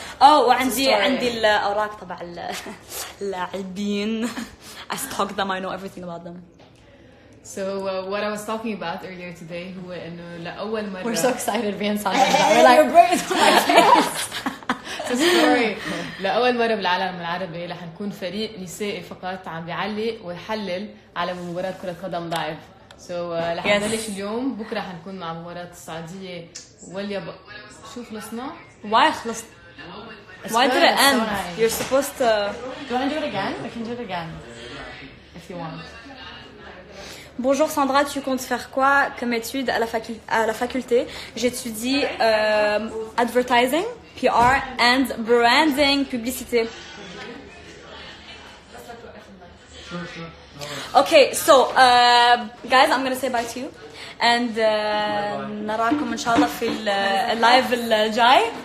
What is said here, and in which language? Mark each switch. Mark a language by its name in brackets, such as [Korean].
[Arabic] Oh, وعندي الأوراق طبع اللاعبين. [English] I stalk them. I know everything about them. So what I was talking about earlier today, we're so excited being talking about that. We're like... Your brain is like this. Sorry. [Arabic] لأول مرة بالعالم العربي رح نكون فريق نسائي فقط عم بيعلق ويحلل على مباراة كرة قدم لايف. So رح نبلش اليوم بكرة حنكون مع مباراة السعودية واليابان. شو خلصنا؟ [English] Why [Arabic] خلصت؟ [English] Why did it end? So you're supposed to. Do you want to do it again? We can do it again if you want. [French] Bonjour Sandra, tu comptes faire quoi comme études à la faculté? J'étudie advertising. [English] PR and branding, [French] publicité. [English] Okay, so guys, I'm gonna say bye to you. [Arabic] and نراكم إن شاء الله في اللايف الجاي.